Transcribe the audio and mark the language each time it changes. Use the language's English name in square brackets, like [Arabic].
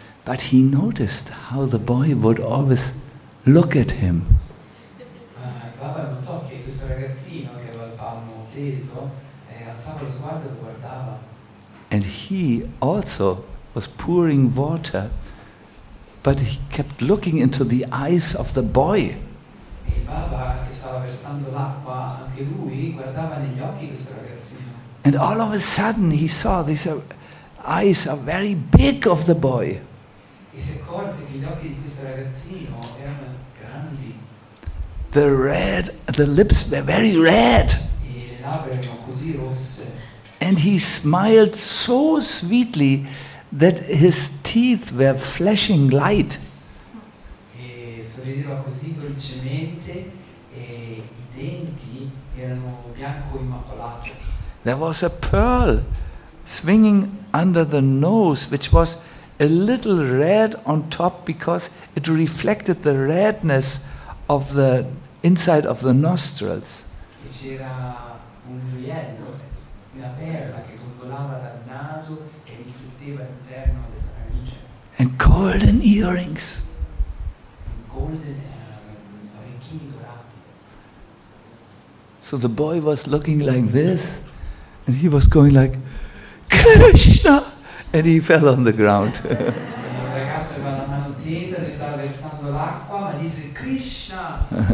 [English] But he noticed how the boy would always look at him. [Italian] Baba notò che questo ragazzino che aveva il palmo teso alzava lo sguardo e lo guardava. [English] And he also was pouring water, but he kept looking into the eyes of the boy. [Italian] E Baba, che stava versando l'acqua, anche lui guardava negli occhi questo ragazzino. [English] And all of a sudden he saw these eyes are very big of the boy. [Italian] E si accorse che gli occhi di questo ragazzino erano grandi. [English] The lips were very red. [Italian] E le labbra erano così rosse. [English] And he smiled so sweetly that his teeth were flashing light. [Italian] E sorrideva così dolcemente e i denti erano bianco immacolato. [English] There was a pearl swinging under the nose, which was a little red on top because it reflected the redness of the inside of the nostrils. [Italian] E c'era un gioiello. Una perla che rotolava dal naso e rifletteva all'interno della narice. [English] And golden earrings. Golden [Italian] orecchini dorati. [English] So the boy was looking like this, and he was going like, "Krishna!" And he fell on the ground. [Italian] Il ragazzo aveva la mano tesa, ne stava versando l'acqua, ma disse "Krishna!"